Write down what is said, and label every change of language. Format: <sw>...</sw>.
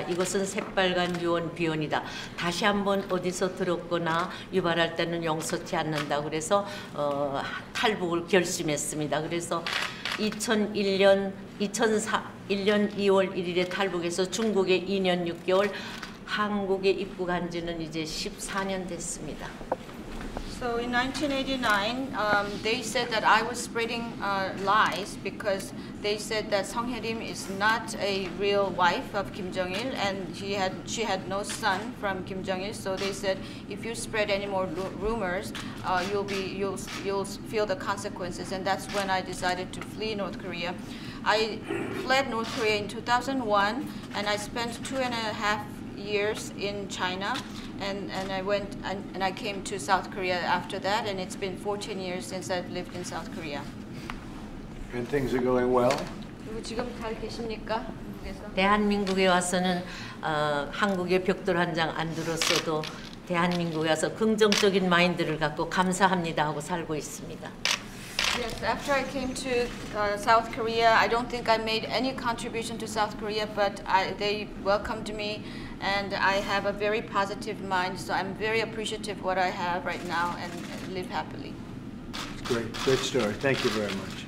<ko>이것은 새빨간 유언 비언이다. 다시 한번 어디서 들었거나 유발할 때는 용서치 않는다. 그래서 탈북을 결심했습니다. 그래서 2001년 2001년 2월 1일에 탈북해서 중국에 2년 6개월 한국에 입국한 지는 이제 14년 됐습니다.</ko> <en>So in 1989, they said that I was spreading lies because they said that Song Hye-rim is not a real wife of Kim Jong-il and she had no son from Kim Jong-il. So they said if you spread any more rumors, you'll feel the consequences. And that's when I decided to flee North Korea. I fled North Korea in 2001 and I spent 2.5 years in China. And I went and I came to South Korea after that, and it's been 14 years since I've lived in South Korea. And things are going well.</en> <ko>지금 잘 계십니까? 대한민국에 와서는 한국의 벽돌 한 장 안 들었어도 대한민국에 와서 긍정적인 마인드를 갖고 감사합니다 하고 살고 있습니다.</ko> <en>Yes, after I came to South Korea, I don't think I made any contribution to South Korea, but they welcomed me. And I have a very positive mind, so I'm very appreciative of what I have right now and live happily. Great, great story. Thank you very much.</en>